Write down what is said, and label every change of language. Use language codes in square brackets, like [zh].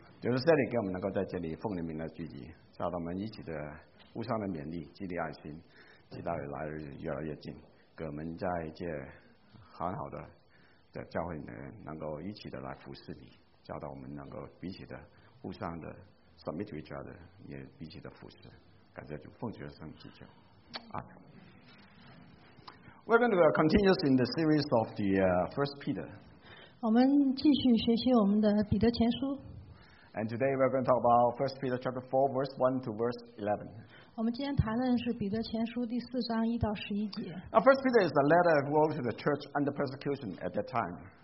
[zh] 就是圣灵给我们能够在这里奉你名来聚集，找到我们一起的互相的勉励、激励爱心，直到来日越来越近，给我们在这很好的教会里面能够一起的来服侍你，教导我们能够彼此的互相的 [en] submit to each other， [zh] 也彼此的服侍。感谢主，奉主的圣名祈求。 [en] We're going to continue in the series of the First Peter. [zh] 我们继续学习我们的彼得前书。 [en] And today we're going to talk about First Peter chapter 4, verse 1 to verse 11. [zh] 我们今天谈论是彼得前书第四章一到十一节。 [en] Now, First Peter is a letter that wrote to the church under persecution at that time.